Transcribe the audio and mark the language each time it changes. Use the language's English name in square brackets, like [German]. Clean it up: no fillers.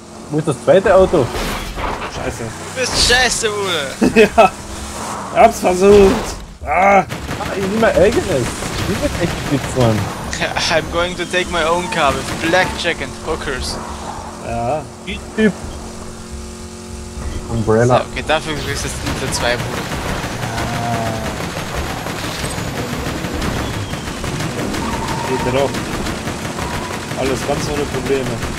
[German] Wo ist das zweite Auto? Scheiße. Du bist scheiße, Wuhle! Ja! Ich hab's versucht! Ah! Ich nehme mein eigenes! Ich nehme echt Spitzmann! [English] I'm going to take my own car with blackjack and hookers. [German] Ja. [English] Umbrella. [German] So, okay, dafür kriegst du jetzt unter 2 Bullen. Geht ja doch. Alles ganz ohne Probleme.